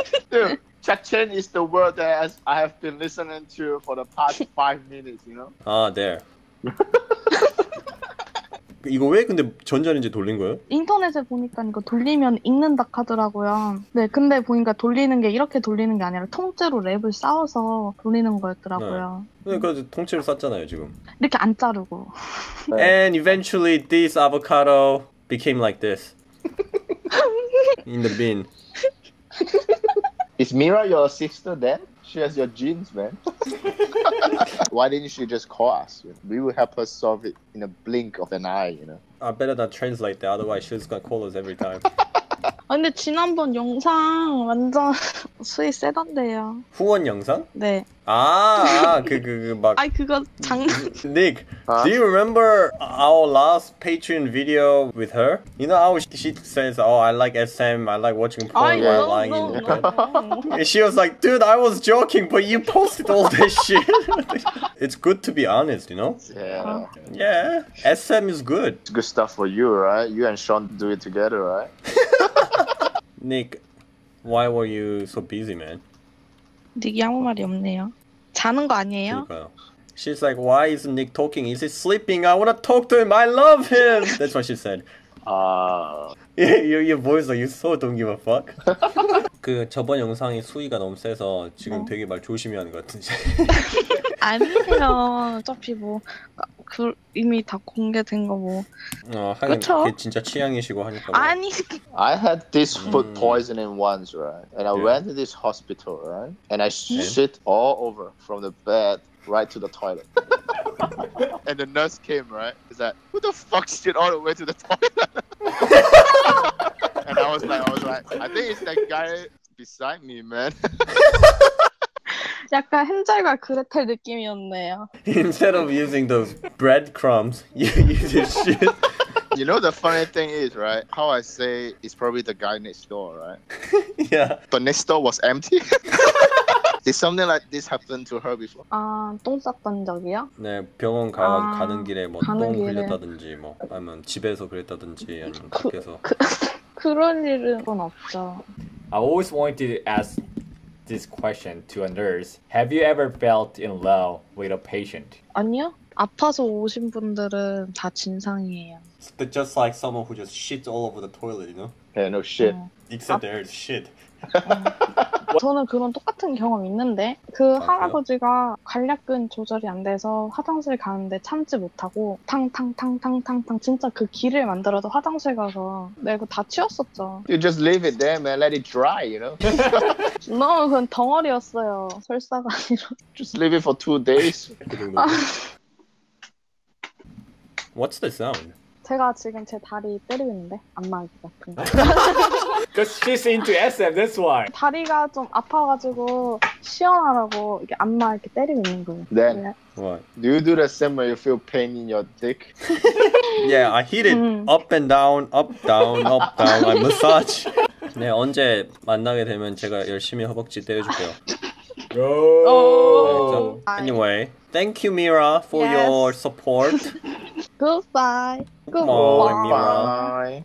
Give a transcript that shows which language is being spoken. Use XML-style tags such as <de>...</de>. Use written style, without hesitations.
<en>Dude, 차첸 is the word that I have been listening to for the past 5 minutes, you know? 아, there.</en> <ko>이거 왜 근데 전자레인지 돌린 거예요? 인터넷에 보니까 이거 돌리면 익는다 하더라고요. 네, 근데 보니까 돌리는 게 이렇게 돌리는 게 아니라 통째로 랩을 쌓아서 돌리는 거였더라고요. 네, 그래서 통째로 쌌잖아요, 지금. 이렇게 안 자르고.</ko> <en>네. And eventually this avocado became like this. In the bin. Is Mira your sister then? She has your genes, man. Why didn't she just call us? We will help her solve it in a blink of an eye, you know? I better not translate that, otherwise she's gonna call us every time.</en> <ko>아, 근데 지난번 영상 완전 수위 세던데요. 후원 영상? 네. 아, 그 막. 아니, 그거 장난. Nick, 아?</ko> <en>do you remember our last Patreon video with her? You know how she says, oh, I like SM, I like watching porn while lying in bed. And she was like, dude, I was joking, but you posted all this shit. It's good to be honest, you know? Yeah. Yeah, SM is good. It's good stuff for you, right? You and Sean do it together, right? Nick, why were you so busy, man?</en> <ko>Nick, 아무 말이 없네요. 자는 거 아니에요? 그러니까요.</ko> <en>She's like, why is Nick talking? Is he sleeping? I want to talk to him. I love him. That's what she said. your voice, you so don't give a fuck.</en> <ko>그 저번 영상이 수위가 너무 세서 지금 되게 말 조심히 하는 것 같은데. 아니에요. 어차피 뭐 그 이미 다 공개된 거 뭐. 어, 그렇죠. 그게 진짜 취향이시고 하니까. 뭐. 아니.</ko> <en>I had this food poisoning once, right? And I went to this hospital, right? And I shit all over from the bed right to the toilet. And the nurse came, right? Is that like, who the fuck shit all the way to the toilet? And I was like, I think it's that guy beside me, man.</en> <ko>약간 헨젤과 그레텔 느낌이었네요.</ko> <en>Instead of using those breadcrumbs, you use this shit. You know the funny thing is, right? How I say it's probably the guy next door, right? Yeah. But next door was empty. Did something like this happen to her before?</en> <ko>아, 똥 쌌던 적이요? 네, 병원 가는 길에 뭐 똥 흘렸다든지 뭐 아니면 집에서 그랬다든지 아니면 밖에서. 그런 일은 없죠.</ko> <en>I always wanted to ask this question to a nurse. Have you ever felt in love with a patient?</en> <ko>아니요. 아파서 오신 분들은 다 진상이에요.</ko> <en>But just like someone who just shits all over the toilet, you know? Yeah, no shit. Except there is shit.</en> <ko>저는 그런 똑같은 경험 있는데 그 아, 할아버지가 관략근 조절이 안 돼서 화장실 가는데 참지 못하고 탕탕탕탕탕탕 진짜 그 길을 만들어서 화장실 가서 내가 그거 다 치웠었죠.</ko> <en>You just leave it there, man. Let it dry, you know?</en> <ko>너무 그건 덩어리였어요. 설사가 아니라.</ko> <en>Just leave it for 2 days. What's the sound?</en> <ko>제가 지금 제 다리 때리고 있는데 안 맞을 것 같은데.</ko> <en>Cause she's into SM, that's why.</en> <ko>다리가 좀 아파가지고 시원하라고 이게 안마 이렇게 때리고 있는 거.</ko> <en>Then what? Do you do the same when you feel pain in your dick? Yeah, I hit it up and down, up down, up down. I massage.</en> <ko>네 언제 만나게 되면 제가 열심히 허벅지 때려줄게요. Oh.</ko> <en>Anyway, thank you, Mira, for your support. Goodbye. Goodbye, Mira.</en>